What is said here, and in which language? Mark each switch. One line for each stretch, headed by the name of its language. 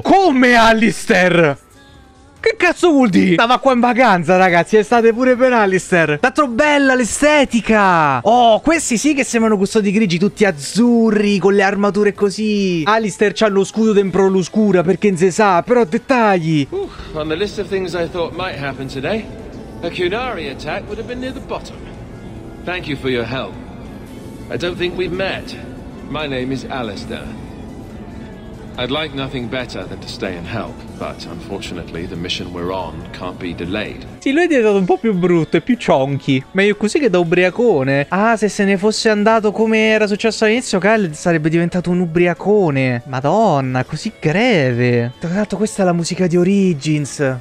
Italian: Come Alistair? Che cazzo vuol dire? Stava qua in vacanza, ragazzi. È state pure per Alistair. Tanto bella l'estetica. Oh, questi sì che sembrano custodi grigi. Tutti azzurri, con le armature così. Alistair c'ha lo scudo dentro l'oscura, perché non si sa. Però dettagli.
English: On the list of things I thought might happen today, a Qunari attack would have been near the bottom. Thank you for your help. I don't think we've met. My name is Alistair. I'd like nothing better than to stay and help, but unfortunately the mission we're on can't be delayed.
Italian: Sì, lui è diventato un po' più brutto e più chonky. Meglio così che da ubriacone. Ah, se ne fosse andato come era successo all'inizio, Kyle sarebbe diventato un ubriacone. Madonna, così greve. Tra l'altro questa è la musica di Origins.